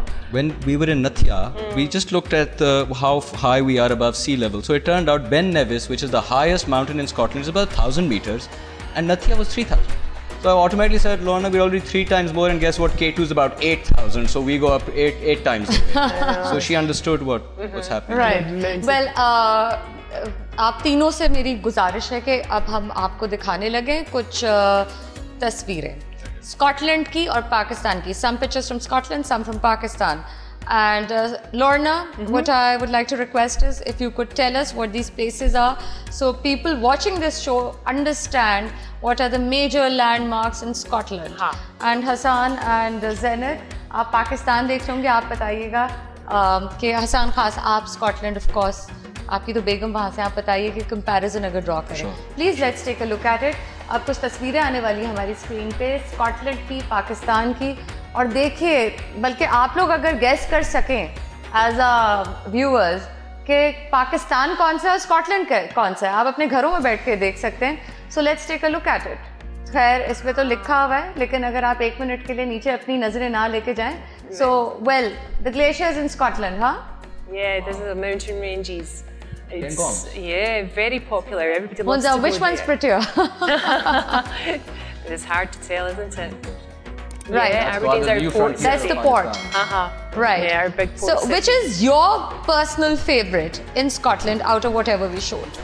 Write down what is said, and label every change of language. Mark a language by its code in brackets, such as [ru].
[en] When we were in Nathia, we just looked at how high we are above sea level. So it turned out Ben Nevis, which is the highest mountain in Scotland, is about 1,000 meters, and Nathia was 3,000. So I automatically said, Lorna, we're already three times more, and guess what? K2 is about 8,000, so we go up eight times. So she understood what was happening. Right. Yeah. Well, [hi] आप तीनों से मेरी गुजारिश है कि अब हम आपको दिखाने लगे कुछ तस्वीरें स्कॉटलैंड की और पाकिस्तान की [en] some pictures from Scotland some from Pakistan and Lorna what I would like to request is if you could tell us what these places are so people watching this show understand what are the major landmarks in Scotland and Hasan and Zeenat [hi] आप पाकिस्तान देख रहे होंगे आप बताइएगा कि हसन खास आप Scotland of course आपकी तो बेगम वहाँ से आप बताइए कि कंपैरिजन अगर ड्रॉ करें [en] please let's take a look at it [hi] अब कुछ तस्वीरें आने वाली हैं हमारी स्क्रीन पे स्कॉटलैंड की पाकिस्तान की और देखिए बल्कि आप लोग अगर गेस कर सकें [en] as a viewers [hi] कि पाकिस्तान कौन सा है स्कॉटलैंड कौन सा है आप अपने घरों में बैठ के देख सकते हैं [en] so let's take a look at it [hi] खैर इसमें तो लिखा हुआ है लेकिन अगर आप एक मिनट के लिए नीचे अपनी नज़रें ना लेके जाएँ [en] so well the glaciers in Scotland [hi] हाँ [en] Yeah, this is the mountain ranges. It's, yeah, very popular. Everybody loves to go Which one's there. prettier? It's hard to tell, isn't it? Right. Yeah, Aberdeen's our port. That's the port. Uh-huh. Right. Yeah, our big port. So, which is your personal favourite in Scotland out of whatever we showed?